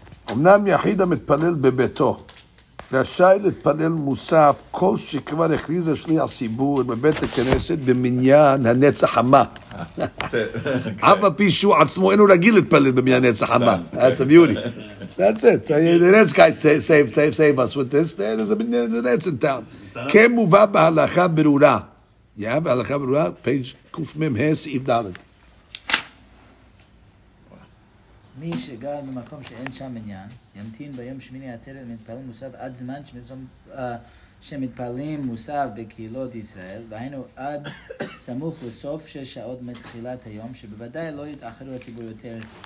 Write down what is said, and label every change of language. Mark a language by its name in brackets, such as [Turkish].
[Hebrew] אמנם יחיד המתפלל בביתו רשאי להתפלל מוסף כל שכבר הכריז השליח ציבור בבית הכנסת במניין הנצח המה. אף הפי שהוא עצמו אינו רגיל להתפלל במניין הנצח המה. [English] That's a beauty. That's it. So the next guy save us with this. There's a minyan in the next town. [Hebrew] כמובא בהלכה ברורה. [English] Yeah, בהלכה ברורה, page קוף מם הס איב דלת. [Hebrew] מי שגר במקום שאין שם מניין, ימתין ביום שמיני עצרת מתפללים מוסף עד זמן שמתפללים מוסף בקהילות ישראל, והיינו עד סמוך לסוף שש שעות מתחילת היום, שבוודאי לא יתאחרו הציבור יותר.